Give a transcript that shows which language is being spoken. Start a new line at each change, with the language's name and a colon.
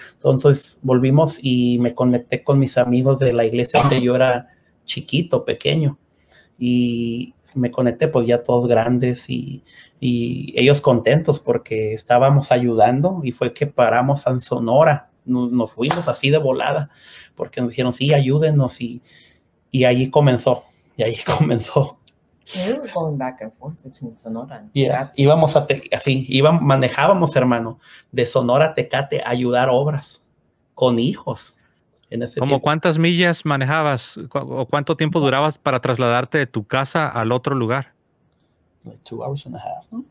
Spanish: Entonces volvimos y me conecté con mis amigos de la iglesia donde yo era chiquito, pequeño. Y me conecté pues ya todos grandes y ellos contentos porque estábamos ayudando y fue que paramos en Sonora. Nos fuimos así de volada porque nos dijeron, sí, ayúdenos. Y allí comenzó, y allí comenzó.
English: We were going back and forth between Sonora and
Spanish: yeah, íbamos a manejábamos, hermano, de Sonora a Tecate a ayudar obras con hijos en ese ¿Cómo tiempo. ¿Cuántas millas manejabas o cuánto tiempo durabas para trasladarte de tu casa al otro lugar?
English: Like 2 hours and a half.